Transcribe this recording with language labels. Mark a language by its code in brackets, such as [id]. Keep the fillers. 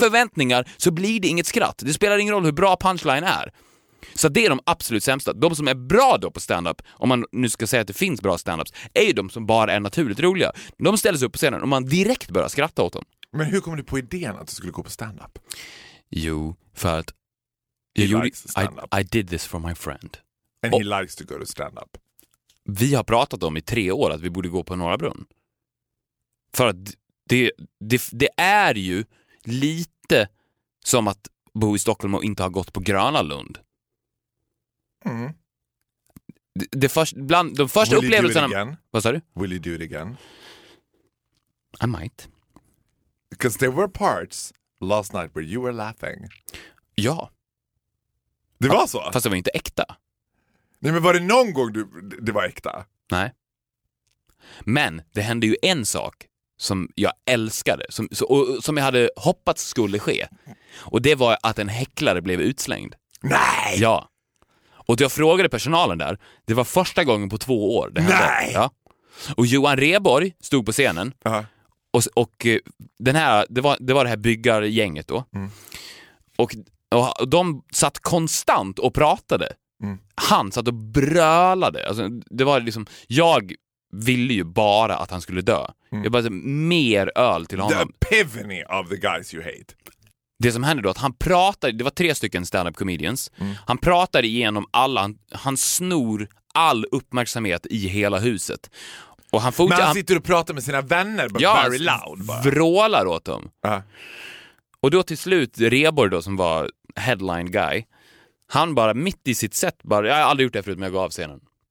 [sv] förväntningar så blir det inget skratt. Det spelar ingen roll hur bra punchline är. Så det är de absolut sämsta. De som är bra då på stand-up, om man nu ska säga att det finns bra stand-ups, är ju de som bara är naturligt roliga. De ställer sig upp på scenen och man direkt börjar skratta åt dem. Men hur kom du på idén att du skulle gå på stand-up? Jo, för att... [en] He [sv] Jag gjorde, [en] likes stand-up. I, I did this for my friend. And he likes to go to stand-up. [sv] Vi har pratat om i tre år att vi borde gå på Norra Brunn. För att det, det, det är ju lite som att bo i Stockholm och inte ha gått på Gröna Lund. Mm. Det, det först, bland, de första [en] Will you do it [sv] upplevelserna... [en] again? [sv] Vad sa du? [en] Will you do it again? I might. Because there were parts last night where you were laughing. [sv] Ja, Det var så? fast det var inte äkta. Nej men var det någon gång du, det var äkta? Nej. Men det hände ju en sak som jag älskade, som, så- och, som jag hade hoppats skulle ske. Och det var att en häcklare blev utslängd. Nej! Ja. Och jag frågade personalen där, det var första gången på två år det hände. Nej! Ja. Och Johan Reborg stod på scenen Ja. och, och eh, den här, det, var, det var det här byggargänget då. Och, och de satt konstant och pratade. Han satt och brölade. Alltså, det var liksom, jag ville ju bara att han skulle dö. Jag bara, mer öl till honom. [en] The epiphany of the guys you hate. [sv] Det som hände då att han pratade, det var tre stycken stand-up comedians, han pratade igenom alla, han, han snor all uppmärksamhet i hela huset. Och han Men fortsätter... han sitter och pratar med sina vänner, [en] but very loud [sv] bara. vrålar åt dem. Ja. Och då till slut, Reborg då som var headline guy, han bara mitt i sitt set bara, jag har aldrig gjort det här förut men jag går av scenen.